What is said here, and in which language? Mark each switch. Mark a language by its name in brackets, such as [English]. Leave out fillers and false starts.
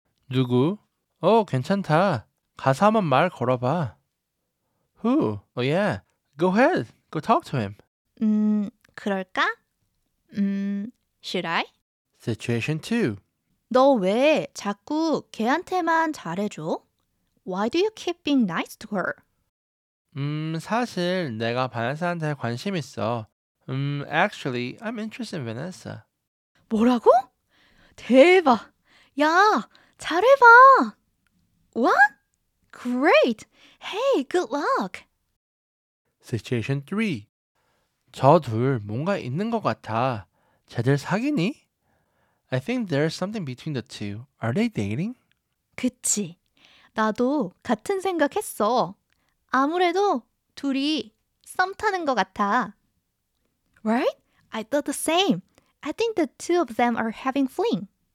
[Korean] 누구? 괜찮다. 가서 한번 말 걸어봐. [English] Who? Oh yeah, go ahead. Go talk to him. [Korean] 그럴까? [English] Should I? Situation 2. [Korean] 너 왜 자꾸 걔한테만 잘해줘? [English] Why do you keep being nice to her? [Korean] 사실 내가 바네사한테 관심 있어. [English] Actually, I'm interested in Vanessa. [Korean] 뭐라고? 대박! 야, 잘해봐! [English] What? Great! Hey, good luck! Situation 3. [Korean] 저 둘 뭔가 있는 것 같아. 쟤들 사귀니? [English] I think there's something between the two. Are they dating? [Korean] 그치. 나도 같은 생각했어. 아무래도 둘이 썸 타는 것 같아. [English] Right? I thought the same. I think the two of them are having fling.